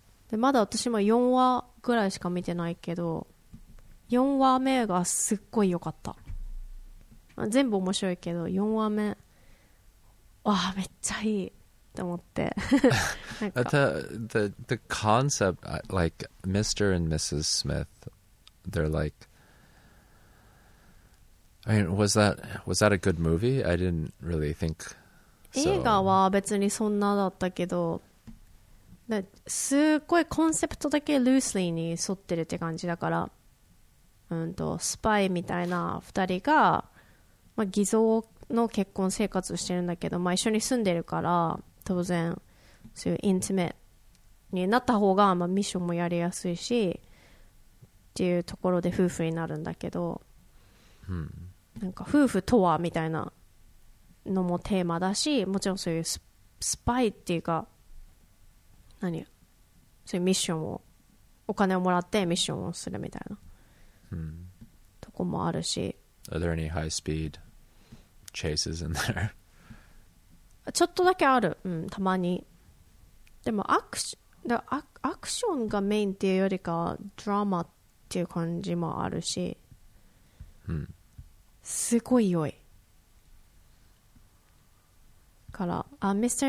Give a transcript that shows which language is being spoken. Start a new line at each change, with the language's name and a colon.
Japanese: でまだ私も4話ぐらいしか見てないけど、4話目がすっごい良かった、まあ、全部面白いけど4話目わあめっちゃいいって思って
English: the concept like Mr. and Mrs. Smith, they're like, I mean, was that a good movie? I didn't really think so.
Japanese: 映画は別にそんなだったけど、すっごいコンセプトだけ loosely に沿ってるって感じだから、スパイみたいな2人が、まあ、偽造の結婚生活をしてるんだけど、まあ、一緒に住んでるから当然そういうインティメットになった方が、まあ、ミッションもやりやすいしっていうところで夫婦になるんだけど、なんか夫婦とはみたいなのもテーマだし、もちろんそういう スパイっていうか何、そういうミッションを、お金をもらってミッションをするみたいな、とこもあるし。
English: Are there any high speed chases in there?
Japanese: ちょっとだけある、うん、たまに。でもアクションがメインっていうよりかはドラマっていう感じもあるし、すごい良いから、あ、Mr.